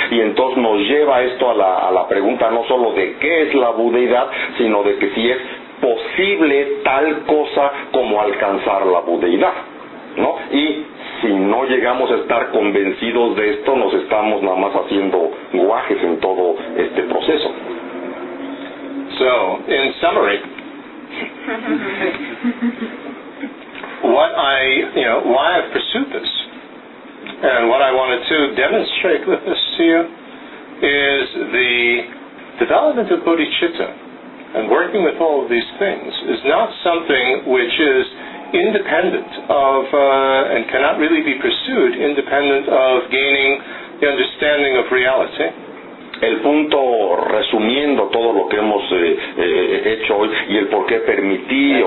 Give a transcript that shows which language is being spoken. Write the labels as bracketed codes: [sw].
[es] Y entonces nos lleva esto a la pregunta no solo de qué es la budeidad, sino de que si es posible tal cosa como alcanzar la budeidad, ¿no? Y si no llegamos a estar convencidos de esto, nos estamos nada más haciendo guajes en todo este proceso. [en] So, in summary, what I, why I pursued this, and what I wanted to demonstrate with this to you, is the development of bodhicitta, and working with all of these things, is not something which is independent of and cannot really be pursued independent of gaining the understanding of reality. [es] El punto, resumiendo todo lo que hemos hecho hoy y el por qué permití o